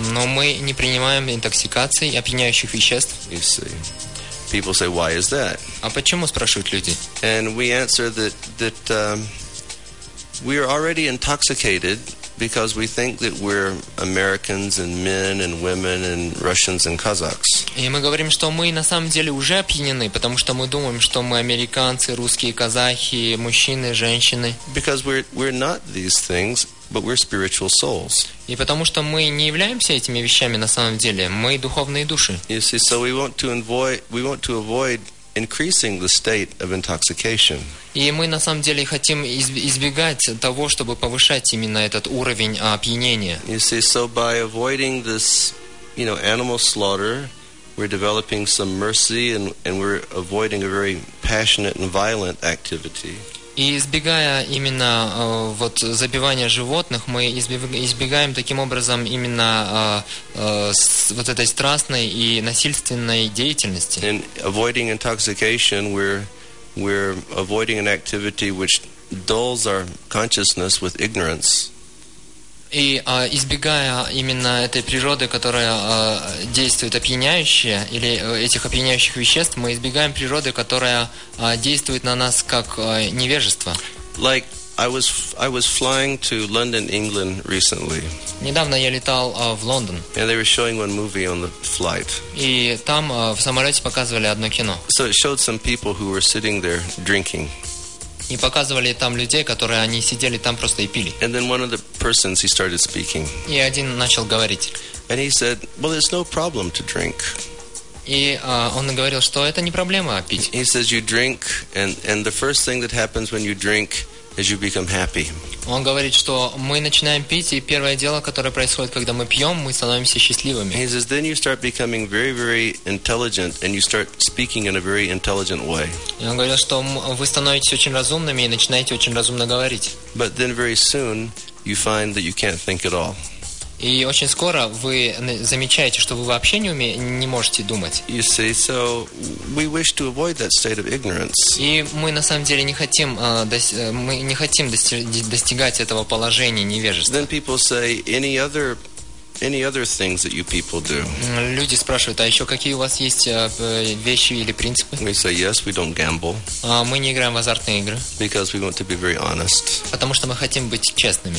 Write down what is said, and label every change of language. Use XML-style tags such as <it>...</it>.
<ru>Но мы не принимаем интоксикации и опьяняющих веществ.</ru> <en>You see, people say, "Why is that?"</en> <ru>А почему спрашивают люди?</ru> <en>And we answer that we are already intoxicated. Because we think that we're Americans and men and women and Russians and Kazakhs.</en> <ru>И мы говорим, что мы на самом деле уже опьянены, потому что мы думаем, что мы американцы, русские, казахи, мужчины, женщины.</ru> <en>Because we're not these things, but we're spiritual souls.</en> <ru>И потому что мы не являемся этими вещами на самом деле, мы духовные души.</ru> <en>You see, so we want to avoid increasing the state of intoxication.</en> <ru>И мы на самом деле хотим избегать того, чтобы повышать именно этот уровень опьянения.</ru> <en>You see, so by avoiding this, you know, animal slaughter, we're developing some mercy and we're avoiding a very passionate and violent activity.</en> <ru>И избегая именно вот забивания животных, мы избегаем таким образом именно вот этой страстной и насильственной деятельности.</ru> <en>And avoiding intoxication, we're avoiding an activity which dulls our consciousness with ignorance.</en> <ru>И избегая именно этой природы, которая действует опьяняющая, или этих опьяняющих веществ, мы избегаем природы, которая действует на нас как невежество.</ru> <en>Like I was flying to London, England recently.</en> <ru>Недавно я летал в Лондон.</ru> <en>And they were showing one movie on the flight.</en> <ru>И там в самолете показывали одно кино.</ru> <en>So it showed some people who were sitting there drinking.</en> <ru>И показывали там людей, которые они сидели там просто и пили.</ru> <en>And then one of the persons he started speaking.</en> <ru>И один начал говорить.</ru> <en>And he said, "Well, it's no problem to drink."</en> <ru>И он говорил, что это не проблема пить.</ru> <en>He says, "You drink, and the first thing that happens when you drink." As you become happy.</en> <ru>Он говорит, что мы начинаем пить, и первое дело, которое происходит, когда мы пьем, мы становимся счастливыми.</ru> <en>He says, then you start becoming very, very intelligent, and you start speaking in a very intelligent way.</en> <ru>И он говорит, что вы становитесь очень разумными и начинаете очень разумно говорить.</ru> <en>But then very soon you find that you can't think at all.</en> <ru>И очень скоро вы замечаете, что вы вообще не можете думать.</ru> <en>You see, so we wish to avoid that state of ignorance.</en> <ru>И мы на самом деле не хотим достигать этого положения невежества.</ru> <en>Then people say any other things that you people do.</en> <ru>Люди спрашивают, а еще какие у вас есть вещи или принципы?</ru> <en>We say yes, we don't gamble.</en> <ru>Мы не играем в азартные игры.</ru> <en>Because we want to be very honest.</en> <ru>Потому что мы хотим быть честными.</ru>